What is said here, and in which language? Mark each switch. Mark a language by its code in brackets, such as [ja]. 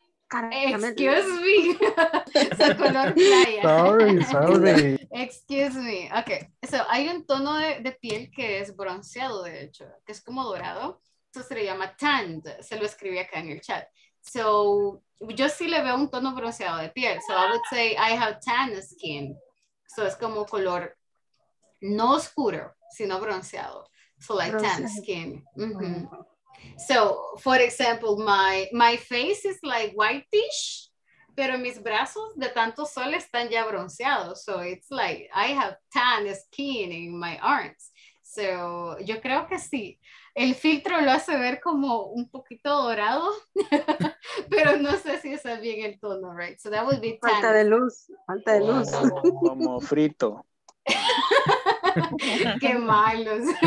[es] Excuse me. Su color playa. [en] Sorry. Excuse me. Ok. [es] So, hay un tono de piel que es bronceado, de hecho, que es como dorado. Eso se le llama tanned. Se lo escribí acá en el chat. So, yo sí le veo un tono bronceado de piel. [en] So, I would say I have tan skin. [es] So, es como color no oscuro, sino bronceado. [en] So, like tan skin. Mm-hmm. So, for example, my face is like whitish, pero mis brazos de tanto sol están ya bronceados. So, it's like I have tan skin in my arms. [es] So, yo creo que sí. El filtro lo hace ver como un poquito dorado, pero no sé si está bien el tono, right? [en] So, that would be tan. [es] Falta de luz. Como frito. Qué malos.